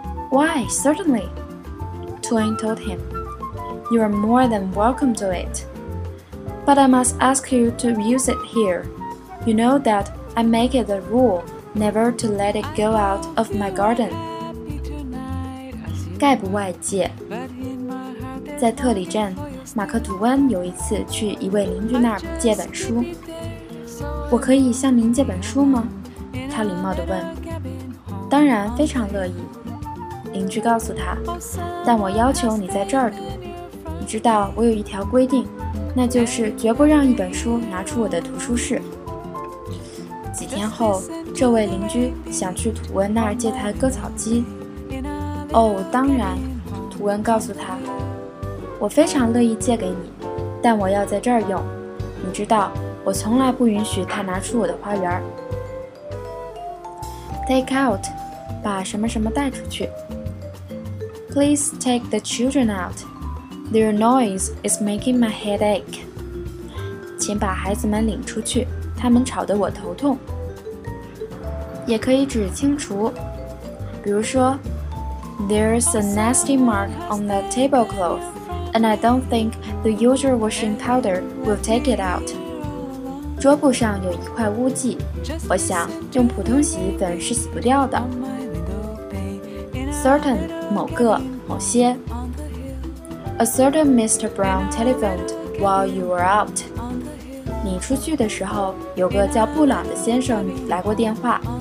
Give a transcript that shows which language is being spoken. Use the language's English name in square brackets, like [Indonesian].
[English] Why, certainly, Twain told him. You are more than welcome to it. But I must ask you to use it here. You know that I make it a rule never to let it go out of my garden. [Chinese] 概不外借。在特里镇，马克吐温有一次去一位邻居那儿借本书。我可以向您借本书吗？他礼貌地问。当然，非常乐意。邻居告诉他，但我要求你在这儿读。你知道，我有一条规定。那就是绝不让一本书拿出我的图书室。几天后，这位邻居想去土温那儿借台割草机。哦，当然，土温告诉他，我非常乐意借给你，但我要在这儿用。你知道，我从来不允许他拿出我的花园。 [English] Take out， [Chinese] 把什么什么带出去。 [English] Please take the children out. Their noise is making my headache. [Chinese] 请把孩子们领出去，他们吵得我头痛。也可以指清除，比如说 [English] There's a nasty mark on the tablecloth, and I don't think the usual washing powder will take it out. [Chinese] 桌布上有一块污迹，我想用普通洗衣粉是洗不掉的。 [English] Certain, [Chinese] 某个，某些。 [English] A certain Mr. Brown telephoned while you were out. [Chinese] 你出去的时候，有个叫布朗的先生来过电话。